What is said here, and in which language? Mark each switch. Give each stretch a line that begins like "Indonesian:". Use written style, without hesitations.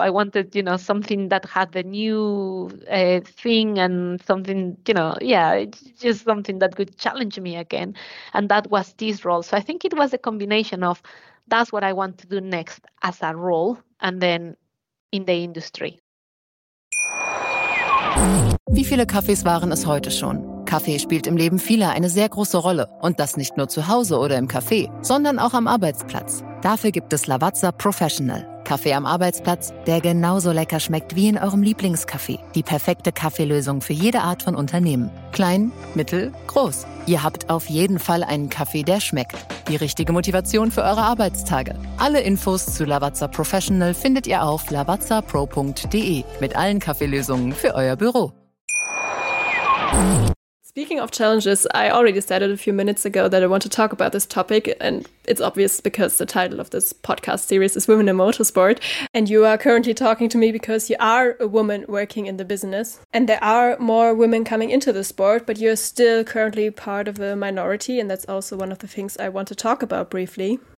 English: I wanted, you know, something that had the new thing and something, you know, yeah, just something that could challenge me again. And that was this role. So I think it was a combination of that's what I want to do next as a role, and then in the industry.
German: Wie viele Kaffees waren es heute schon? Kaffee spielt im Leben vieler eine sehr große Rolle. Und das nicht nur zu Hause oder im Café, sondern auch am Arbeitsplatz. Dafür gibt es Lavazza Professional. Kaffee am Arbeitsplatz, der genauso lecker schmeckt wie in eurem Lieblingscafé. Die perfekte Kaffeelösung für jede Art von Unternehmen. Klein, mittel, groß. Ihr habt auf jeden Fall einen Kaffee, der schmeckt. Die richtige Motivation für eure Arbeitstage. Alle Infos zu Lavazza Professional findet ihr auf lavazzapro.de mit allen Kaffeelösungen für euer Büro.
English: Speaking of challenges, I already stated a few minutes ago that I want to talk about this topic, and it's obvious because the title of this podcast series is Women in Motorsport, and you are currently talking to me because you are a woman working in the business, and there are more women coming into the sport, but you're still currently part of a minority, and that's also one of the things I want to talk about briefly.